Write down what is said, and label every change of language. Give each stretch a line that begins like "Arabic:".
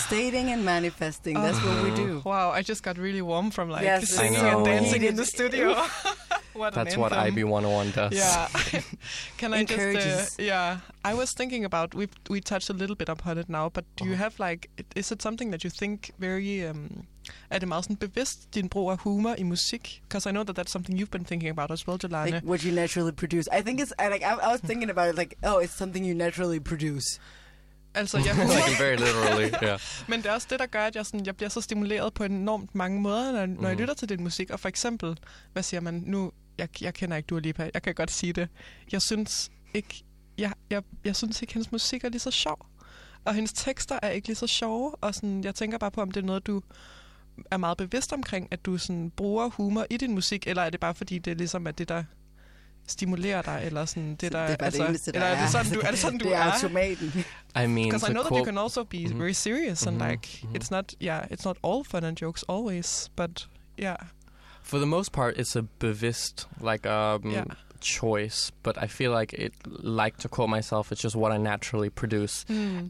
English: Stating and manifesting, that's what we do. Wow, I just got really warm from like singing and dancing in the studio. That's what IB 101 does. Yeah. Can I just... I was thinking about, we touched a little bit upon it now, but do you have like, is it something that you think very...
Danish: Er det meget sådan bevidst, din brug af humor i musik?
English: Because I know that that's something you've been thinking about as well, Jelani. Like, what you naturally produce. I think it's, like, I was thinking about it like, oh, it's something you naturally produce.
Danish: Altså,
English: like very literally, yeah.
Danish: Men det er også det, der gør, at jeg bliver så stimuleret på enormt mange måder, når jeg lytter til din musik. Og for eksempel, hvad siger man nu? Jeg kender ikke Dua Lipa. Jeg kan godt sige det. Jeg synes ikke, hendes musik er lige så sjov. Og hendes tekster er ikke lige så sjove. Og sådan, jeg tænker bare på, om det er noget, du er meget bevidst omkring, at du sådan bruger humor i din musik, eller er det bare fordi, det ligesom er det, der stimulerer dig, eller sådan det, der... Er det sådan, du er? Det er automaten.
English: I mean, because I know that you can also be very serious and like it's not all fun and jokes always, but yeah. For the most part, it's a bevisst, like choice, but I feel like it, like to quote myself, it's just what I naturally produce. Mm.